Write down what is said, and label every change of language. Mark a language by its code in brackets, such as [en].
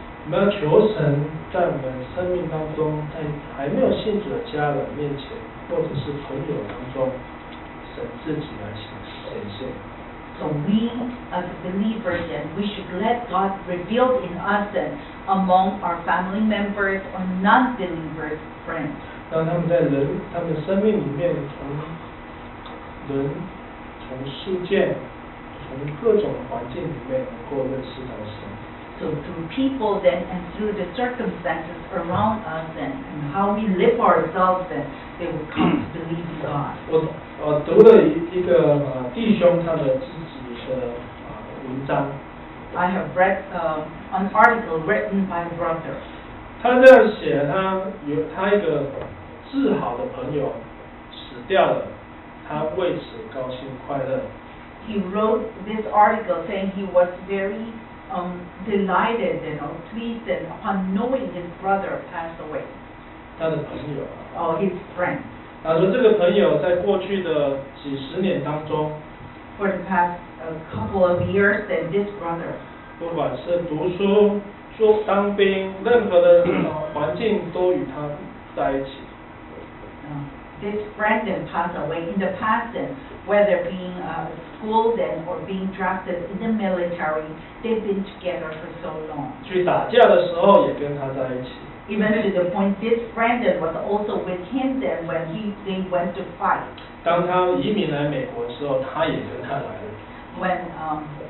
[zh] 我们要求神在我们生命当中，在还没有信主的家人面前，或者是朋友当中，神自己来显现。 [en] So we as believers, then we should let God reveal in us then among our family members or non-believers friends. [zh] 让他们在人他们生命里面从人。从事件，从各种环境里面能够认识到神。 [en] So through people then, and through the circumstances around us then, and how we live ourselves then, they will come to believe God. [zh] 我读了一个弟兄他的自己的文章。 [en] I have read an article written by a brother. [zh] 他这样写，他有他一个至好的朋友死掉了。他为此高兴快乐。 [en] He wrote this article saying he was very delighted and pleased and upon knowing his brother passed away. [zh] 他的朋友。 [en] Oh, his friend. [zh] 他说这个朋友在过去的几十年当中 [en] ，For the past a couple of years, then this brother. [zh] 不管是读书、做当兵，任何的环境都与他在一起。 [en] This friend then passed away in the past then, whether being school then or being drafted in the military, they've been together for so long. [zh] 去打架的时候也跟他在一起。 [en] Even to the point this friend then was also with him then when they went to fight. [zh] 当他移民来美国的时候，他也跟他来了。